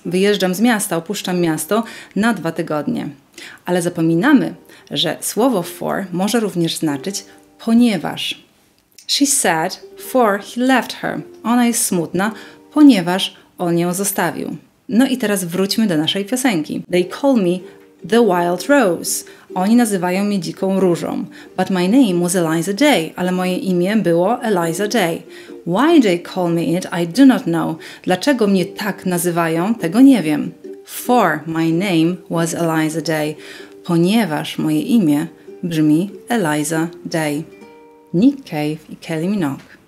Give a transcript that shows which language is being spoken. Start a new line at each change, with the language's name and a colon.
Polish: Wyjeżdżam z miasta, opuszczam miasto na 2 tygodnie. Ale zapominamy, że słowo for może również znaczyć ponieważ.
English: She said for he left her.
Polish: Ona jest smutna, ponieważ on ją zostawił. No i teraz wróćmy do naszej piosenki.
English: They call me the wild rose.
Polish: Oni nazywają mnie dziką różą.
English: But my name was Eliza Day.
Polish: Ale moje imię było Eliza Day.
English: Why they call me it, I do not know.
Polish: Dlaczego mnie tak nazywają, tego nie wiem.
English: For my name was Eliza Day.
Polish: Ponieważ moje imię brzmi Eliza Day. Nick Cave i Kelly Minogue.